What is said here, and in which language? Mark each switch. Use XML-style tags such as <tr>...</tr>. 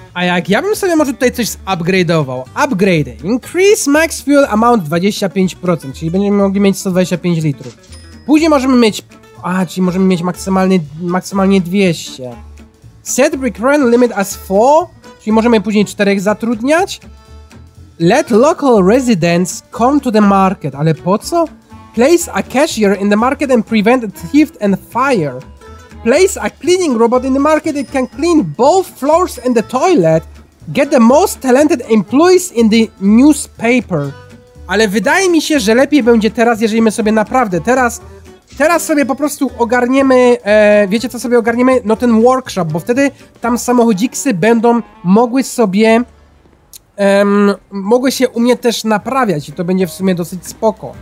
<pl>A jak ja bym sobie może tutaj coś upgrade'ował. Upgrade.</pl> <en>Increase max fuel amount 25%.</en> <pl>Czyli będziemy mogli mieć 125 litrów. Później możemy mieć... A, czyli możemy mieć maksymalnie 200.</pl> <en>Set brick run limit as 4,</en> <pl>czyli możemy później 4 zatrudniać.</pl> <en>Let local residents come to the market.</en> <pl>Ale po co?</pl> <en>Place a cashier in the market and prevent theft and fire. Place a cleaning robot in the market that can clean both floors and the toilet. Get the most talented employees in the newspaper.</en> <pl>Ale wydaje mi się, że lepiej będzie teraz, jeżeli my sobie naprawdę teraz sobie po prostu ogarniemy, wiecie co sobie ogarniemy? No ten workshop, bo wtedy tam samochodziksy będą mogły sobie, mogły się u mnie też naprawiać i to będzie w sumie dosyć spoko.</pl>